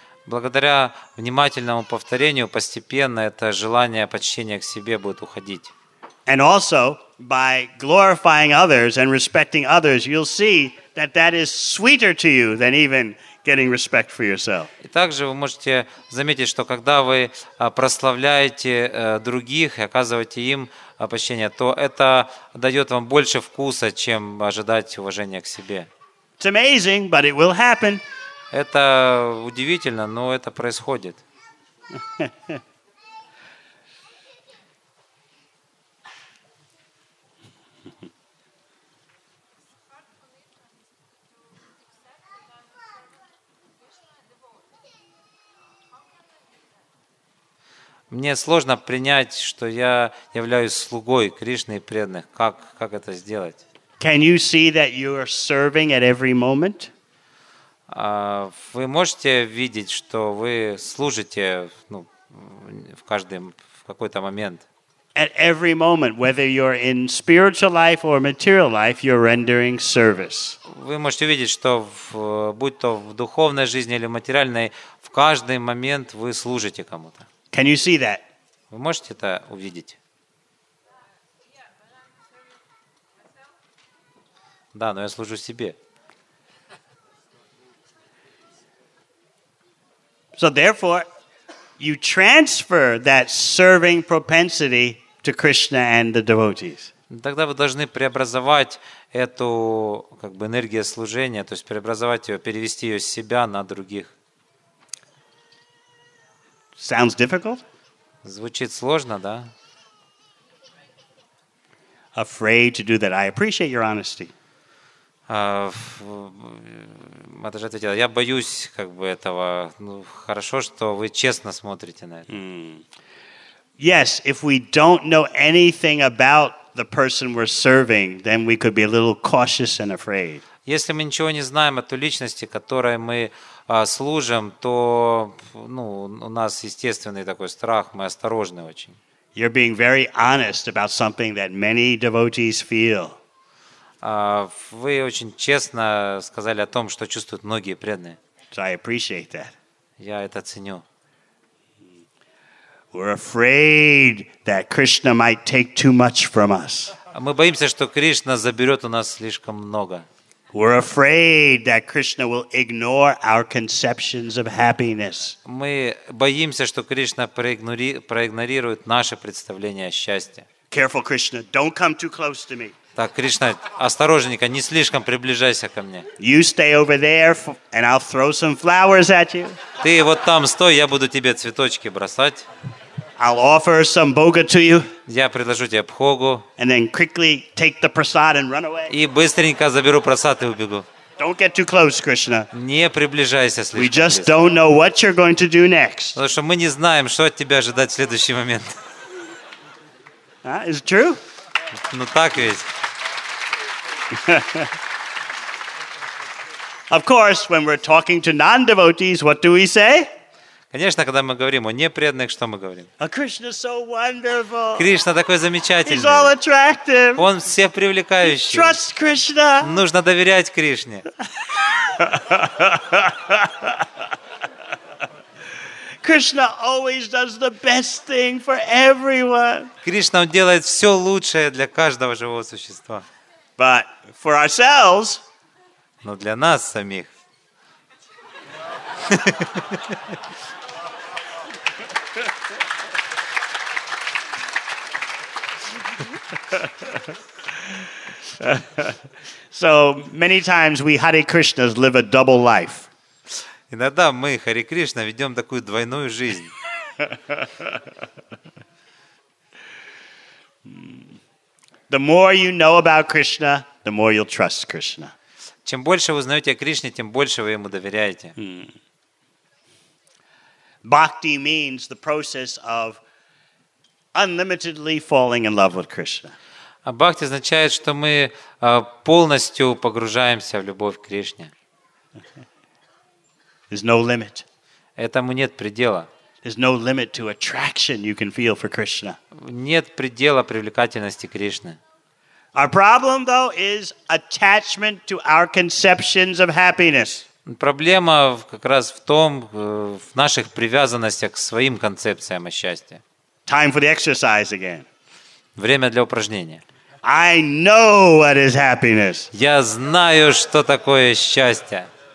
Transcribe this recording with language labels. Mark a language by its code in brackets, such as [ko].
[ru] Благодаря внимательному повторению постепенно это желание почтения к себе будет уходить. [en] And also by glorifying others and respecting others, you'll see that that is sweeter to you than even getting respect for yourself. [ru] И также вы можете заметить, что когда вы прославляете других и оказываете им почтение, то это дает вам больше вкуса, чем ожидать уважения к себе. [en] It's amazing, but it will happen. [ru] Это удивительно, но это происходит. Мне сложно принять, что я являюсь слугой Кришны и преданных. Как это сделать? [en] Can you see that you are serving at every moment? [ru] Вы можете видеть, что вы служите ну, в какой-то момент. [en] At every moment, whether you're in spiritual life or material life, you're rendering service. [ru] Вы можете видеть, что будь то в духовной жизни или материальной, в каждый момент вы служите кому-то. [en] Can you see that? [ru] Вы можете это увидеть? Да, но я служу себе. [en] So therefore, you transfer that serving propensity to Krishna and the devotees. [ru] Тогда вы должны преобразовать эту как бы энергию служения, то есть преобразовать ее, перевести ее с себя на других. [en] Sounds difficult? [ru] Звучит сложно, да? [en] Afraid to do that. I appreciate your honesty. [ru] Матаджи ответила, я боюсь как бы этого. Ну, хорошо, что вы честно смотрите на это. [en] Yes, if we don't know anything about the person we're serving, then we could be a little cautious and afraid. [ru] Если мы ничего не знаем о той личности, которой мы служим, то ну, у нас естественный такой страх, мы осторожны очень. [en] You're being very honest about something that many devotees feel. [ru] Вы очень честно сказали о том, что чувствуют многие преданные. [en] So I appreciate that. [ru] Я это ценю. [en] We're afraid that Krishna might take too much from us. [ru] Мы боимся, что Кришна заберет у нас слишком много. [en] We're afraid that Krishna will ignore our conceptions of happiness. [ru] Мы боимся, что Кришна проигнорирует наше представление о счастье. [en] Careful, Krishna, don't come too close to me. [ru] Так, Кришна, осторожненько, не слишком приближайся ко мне. [en] You stay over there, and I'll throw some flowers at you. [ru] Ты вот там стой, я буду тебе цветочки бросать. [en] I'll offer some bhoga to you. [ru] Я предложу тебе бхогу. [en] And then quickly take the prasad and run away. [ru] И быстренько заберу прасад и убегу. [en] Don't get too close, Krishna. [ru] Не приближайся слишком близко. [en] We just don't know what you're going to do next. [ru] Потому что мы не знаем, что от тебя ожидать в следующий момент. [en] Is it true? [ru] Ну так ведь. [en] Of course, when we're talking to non-devotees, what do we say? [ru] Конечно, когда мы говорим о непреданных, что мы говорим? Кришна такой замечательный. Он все привлекающий. Нужно доверять Кришне. [en] Krishna always does the best thing for everyone. [ru] Кришна делает все лучшее для каждого живого существа. [en] But for ourselves. [ru] Но для нас самих. [en] So many times we Hare Krishnas live a double life. [ru] Иногда мы, Харе Кришна, ведем такую двойную жизнь. [en] The more you know about Krishna, the more you'll trust Krishna. [ru] Чем больше вы знаете о Кришне, тем больше вы ему доверяете. [en] Bhakti means the process of unlimitedly falling in love with Krishna. [ru] А бхакти означает, что мы полностью погружаемся в любовь к Кришне. [en] There's no limit. [ru] Этому нет предела. [en] There's no limit to attraction you can feel for Krishna. [ru] Нет предела привлекательности Кришны. [en] Our problem, though, is attachment to our conceptions of happiness. [ru] Проблема как раз в том, в наших привязанностях к своим концепциям о счастье. [en] Time for the exercise again. [ru] Время для упражнения. [en] I know what is happiness. [ru] Я знаю, что такое счастье.